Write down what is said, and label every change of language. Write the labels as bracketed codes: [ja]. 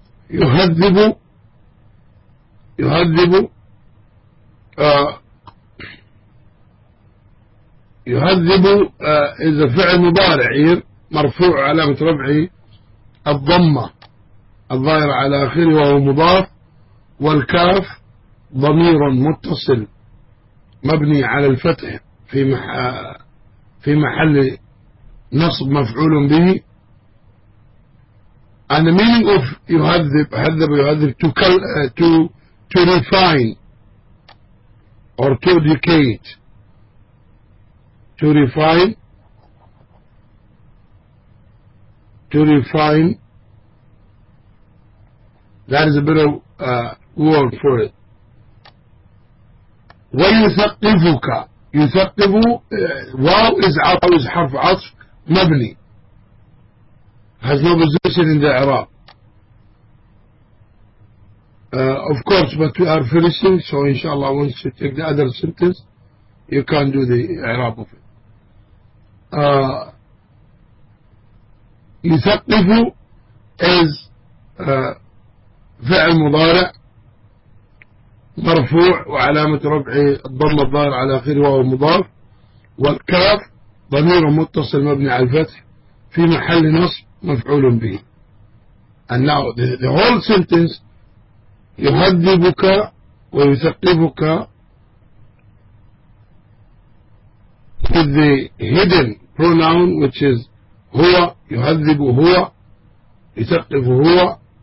[ar] إذا فعل مضارع مرفوع علامة رفعه الضمة الظاهرة على آخره وهو مضاف والكاف ضمير متصل مبني على الفتح في محل نصب مفعول به. [en] And the meaning of يهذب to refine or to educate, to refine, that is a better word for it. [ar] ويثقفك يثقف واو is حرف عطف مبني [en] has no position in the Arab. Of course, but we are finishing, so inshallah once you take the other sentence you can do the Arab of it. [ar] يثقف is فعل مضارع مرفوع وعلامة رفعه الضمة الظاهرة على آخره وهو مضاف والكاف ضمير متصل مبني على الفتح في محل نصب مفعول به. [en] And now the whole sentence [ar] يهذبك ويثقفك [en] with the hidden pronoun which is [ar] هو يهذب هو يثقف هو.